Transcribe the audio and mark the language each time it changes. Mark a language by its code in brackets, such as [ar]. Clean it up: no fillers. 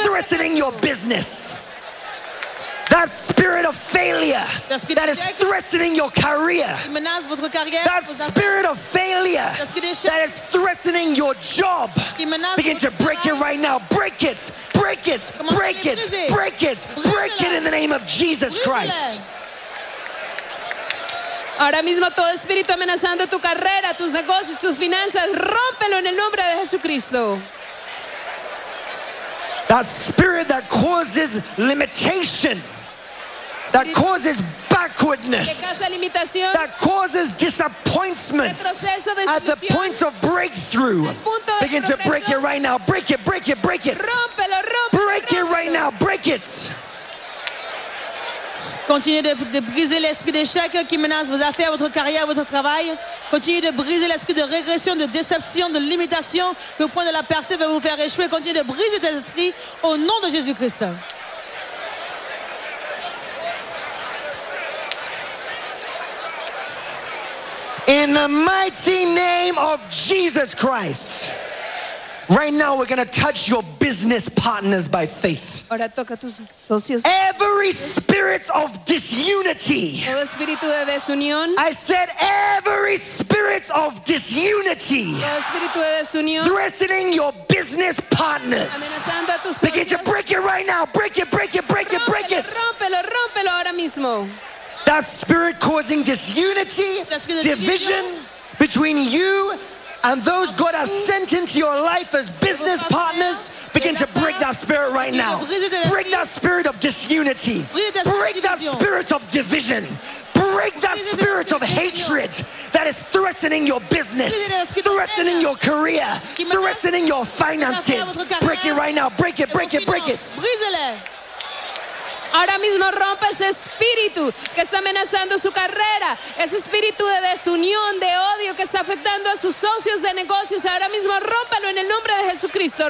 [en] de threatening your business. That spirit of failure that is threatening your career. That spirit of failure that is threatening your job. Begin to break it right now. Break it, break it, break it, break it, break it in the name of Jesus Christ. [es] Ahora mismo todo espíritu amenazando tu carrera, tus negocios, tus finanzas, rómpelo en el nombre de Jesucristo. [en] That spirit that causes limitation, that causes backwardness, that causes disappointment at the points of breakthrough. Begin to break it right now. Break it, break it, break it. Break it right now. Break it. [fr] Continue de briser l'esprit d'échec qui menace vos affaires, votre carrière, votre travail. Continue de briser l'esprit de régression, de déception, de limitation que le point de la percée va vous faire échouer. Continue de briser cet esprit au nom de Jésus-Christ. [en] In the mighty name of Jesus Christ. Right now we're going to touch your business partners by faith. [es] Ahora toca tus socios. [en] Every spirit of disunity. [es] Todo espíritu de desunión. [en] I said every spirit of disunity. [es] Todo espíritu de desunión. [en] Threatening your business partners. [es] Amenazando a tus socios. [en] Begin to break it right now. Break it, break it, break [es] rompelo, [en] it, break it. [es] Rompelo, rompelo ahora mismo. [en] That spirit causing disunity, division between you and those God has sent into your life as business partners, begin to break that spirit right now. Break that spirit of disunity. Break that spirit of division. Break that spirit of hatred that is threatening your business, threatening your career, threatening your finances. Break it right now. Break it, break it, break it. [es] Ahora mismo rompe ese espíritu que está amenazando su carrera, ese espíritu de desunión, de odio que está afectando a sus socios de negocios. Ahora mismo rómpelo en el nombre de Jesucristo.